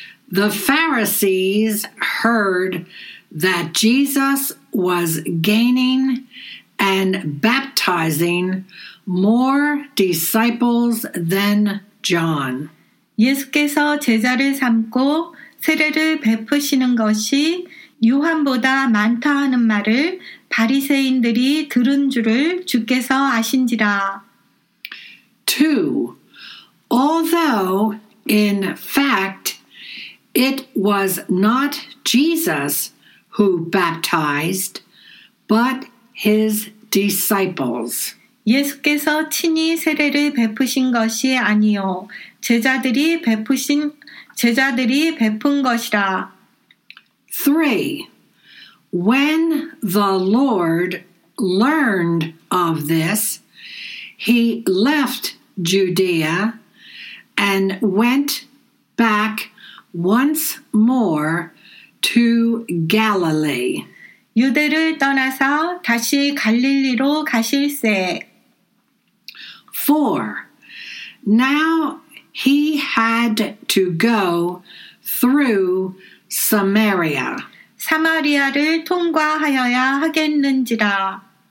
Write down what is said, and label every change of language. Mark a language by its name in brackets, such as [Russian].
[English] The Pharisees heard that Jesus was gaining and baptizing more disciples than John. [Korean] 예수께서 제자를 삼고 세례를 베푸시는 것이 요한보다 많다 하는 말을 바리새인들이 들은 줄을 주께서 아신지라. [English] 2. Although, in fact, it was not Jesus who baptized, but his disciples. [Korean] 예수께서 친히 세례를 베푸신 것이 아니요, 제자들이 베푼 것이라. [English] 3. When the Lord learned of this, he left Judea and went back once more to Galilee. [Korean] 유대를 떠나서 다시 갈릴리로 가실 새. [English] 4. Now he had to go through Samaria. [Korean] 사마리아를 통과하여야 하겠는지라.